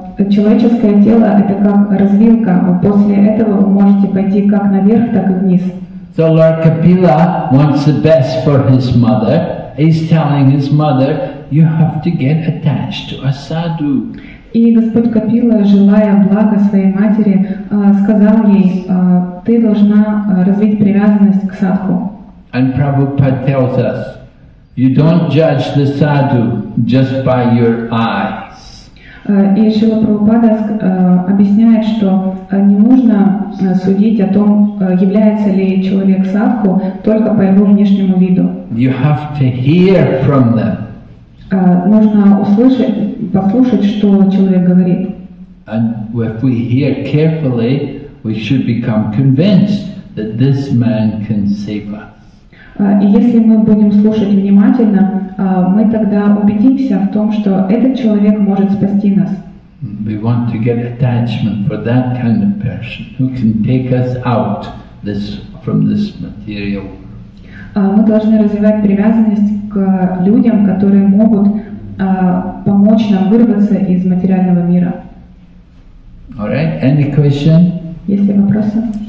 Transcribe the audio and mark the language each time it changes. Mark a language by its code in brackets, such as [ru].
[ru] Человеческое тело — это как развилка. После этого вы можете пойти как наверх, так и вниз. [en] So Lord Kapila wants the best for his mother. He's telling his mother, you have to get attached to a sadhu. [ru] И Господь Капила, желая блага своей матери, сказал ей, ты должна развить привязанность к садху. [en] And Prabhupada tells us, you don't judge the sadhu just by your eye. [ru] И Шрила Прабхупада объясняет, что не нужно судить о том, является ли человек садху только по его внешнему виду. [en] You have to hear from them. [ru] Нужно услышать, послушать, что человек говорит. [en] And if we hear carefully, we should become convinced that this man can save us. [ru] И если мы будем слушать внимательно, мы тогда убедимся в том, что этот человек может спасти нас. [en] We want to get attachment for that kind of person who can take us out from this material. [ru] Мы должны развивать привязанность к людям, которые могут помочь нам вырваться из материального мира. [en] All right, any question? [ru] Есть ли вопросы?